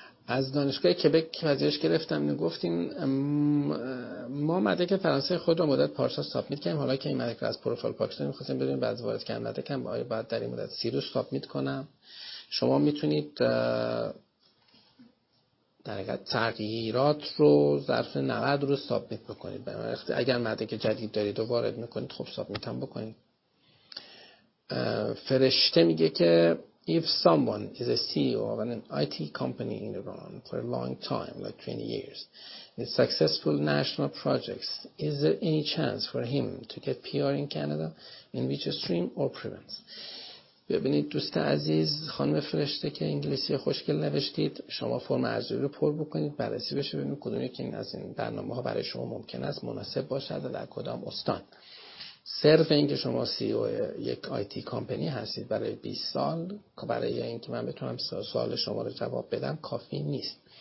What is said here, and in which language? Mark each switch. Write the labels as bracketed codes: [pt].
[fa] از دانشگاه کبک پذیرش گرفتم، گفتیم ما مدرک فرانسه خود رو مدت پارسال سابمیت کردیم، حالا که این مدرک رو از پروفایل پاکستان می‌خواستیم ببینیم بعد وارد کردن مدرکم، آیا باید در این مدت سیرو سابمیت کنم؟ شما میتونید در حقیقت تغییرات رو ظرف 90 روز سابمیت بکنید. اگر مدرک جدید دارید و وارد می‌کنید، خب سابمیت هم بکنید. فرشته میگه که [en] if someone is a CEO of an IT company in Iran for a long time, like 20 years, with successful national projects, is there any chance for him to get PR in Canada, in which stream or province? [fa] ببینید دوست عزیز، خانم فرشته که انگلیسی خوشگل نوشتید، شما فرم ارزیابی رو پر بکنید، بررسی بشه ببینید کدوم یکی از این برنامه ها برای شما ممکن است مناسب باشد و در کدام استان. صرف این که شما سی او یک آیتی کامپنی هستید برای 20 سال، برای این که من بتونم سوال شما رو جواب بدم کافی نیست.